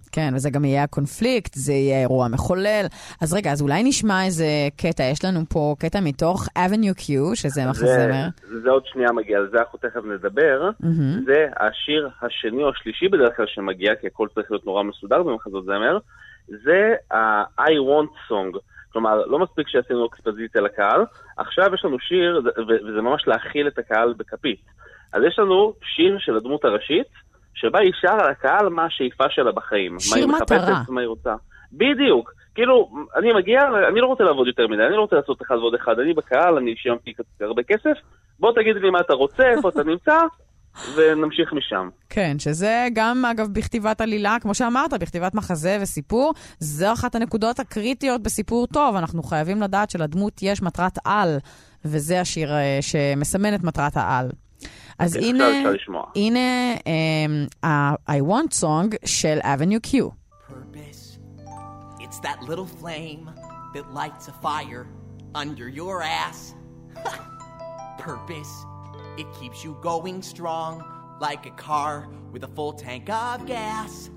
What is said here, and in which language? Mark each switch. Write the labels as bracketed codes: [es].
[he] כן, וזה גם יהיה הקונפליקט, זה יהיה אירוע מחולל. אז רגע, אז אולי נשמע איזה קטע, יש לנו פה קטע מתוך Avenue Q, שזה מחזמר. זה עוד שנייה מגיע, על זה אנחנו תכף נדבר. זה השיר השני או השלישי בדרך כלל שמגיע, כי הכל צריך להיות נורא מסודר במחזות זמר. זה ה-I Want Song. כלומר, לא מספיק שעשינו אקספוזיציה לקהל, עכשיו יש לנו שיר, וזה ממש להכיל את הקהל בכפית. אז יש לנו שיר של הדמות הראשית, שבה היא שר על הקהל מה השאיפה שלה בחיים. שיר מטרה. מה היא מחפשת, מה היא רוצה. בדיוק. כאילו, אני מגיע, אני לא רוצה לעבוד יותר מדי, אני לא רוצה לעשות אחד ועוד אחד, אני בקהל, אני שיימתי הרבה כסף, בוא תגיד לי מה אתה רוצה, איפה אתה נמצא, ונמשיך משם. כן, שזה גם אגב בכתיבת עלילה, כמו שאמרת, בכתיבת מחזה וסיפור, זה אחת הנקודות הקריטיות בסיפור טוב. אנחנו חייבים לדעת שלדמות יש מטרת על, וזה השיר שמסמן את מטרת העל. אז okay, הנה, הנה I Want Song של Avenue Q. Purpose. [en] It's that little flame that lights a fire under your ass. Purpose. It keeps you going strong like a car with a full tank of gas.